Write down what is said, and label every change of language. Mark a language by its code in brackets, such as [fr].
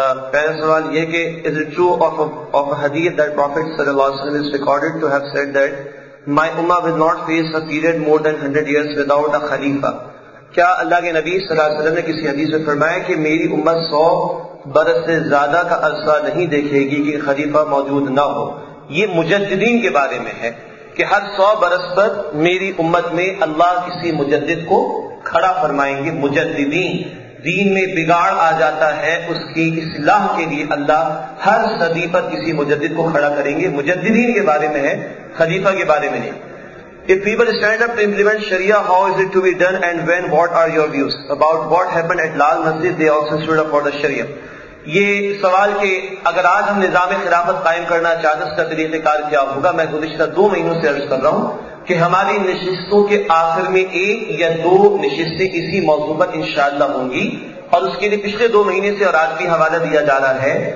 [ur] پہلا سوال یہ کہ [en] is it true of a hadith that Prophet صلی اللہ علیہ وسلم is recorded to have said that my ummah will not face a period more than 100 years without a khalifa. [ur] کیا اللہ کے نبی صلی اللہ علیہ وسلم نے کسی حدیث میں فرمایا کہ میری امت 100 برس سے زیادہ کا عرصہ نہیں دیکھے گی کہ خلیفہ موجود نہ ہو؟ یہ مجددین کے بارے میں ہے کہ ہر 100 برس پر میری امت میں اللہ کسی مجدد کو کھڑا فرمائیں گے. مجددین, دین میں بگاڑ آ جاتا ہے اس کی اصلاح کے لیے اللہ ہر صدی پر کسی مجدد کو کھڑا کریں گے. مجددین کے بارے میں ہے, خلیفہ کے بارے میں نہیں. [en] If people stand up to implement Sharia, how is it to be done and when, what are your views about what happened at Lal Masjid, they also stood up for the Sharia. [ur] یہ سوال کہ اگر آج ہم نظام خلافت قائم کرنا چاہتے ہیں اس کا طریقہ کار کیا ہوگا, میں گزشتہ 2 مہینوں سے عرض کر رہا ہوں کہ ہماری نشستوں کے آخر میں ایک یا دو نشستیں اسی موضوع پر انشاءاللہ ہوں گی، اور اس کے لیے پچھلے دو مہینے سے اور آج بھی حوالہ دیا جا رہا ہے.